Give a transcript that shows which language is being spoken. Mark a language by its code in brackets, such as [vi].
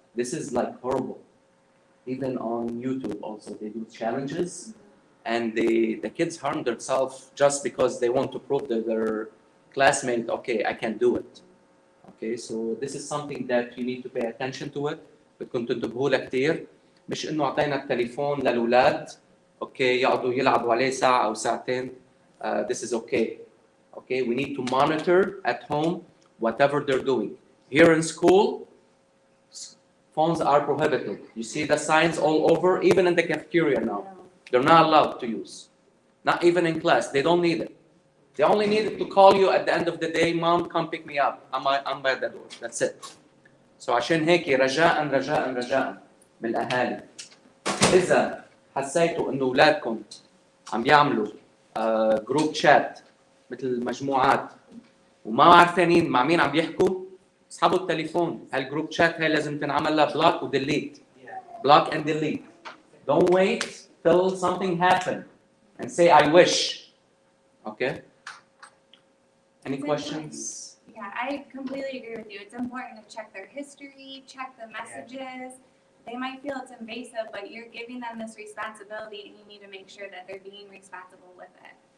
[en] This is like horrible. Even on YouTube also, they do challenges and the kids harm themselves just because they want to prove to their classmate, okay, I can do it. Okay, so this is something that you need to pay attention to it. [ar] بتكنت تنتبهوا له كثير. مش انه اعطينا التليفون للولاد اوكي يقعدوا يلعبوا عليه ساعة او ساعتين. [en] This is okay. Okay, we need to monitor at home whatever they're doing. Here in school, phones are prohibited. You see the signs all over, even in the cafeteria now. They're not allowed to use. Not even in class. They don't need it. They only need it to call you at the end of the day, mom, come pick me up. I'm by the door. That's it. So [ar] عشان هيك رجاءً رجاءً رجاءً من الأهالي. إذا حسيتوا أن أولادكم عم يعملوا group chat مثل مجموعات وما عارفين مع مين عم يحكوا, اسحبوا التليفون. هالجروب شات هاي لازم تنعمل لها بلوك وديليت. [en] Block and delete. Don't wait till something happen and say I wish. Okay? Any questions? Yeah, I completely agree with you. It's important to check their history, check the messages, They might feel it's invasive, but you're giving them this responsibility and you need to make sure that they're being responsible with it.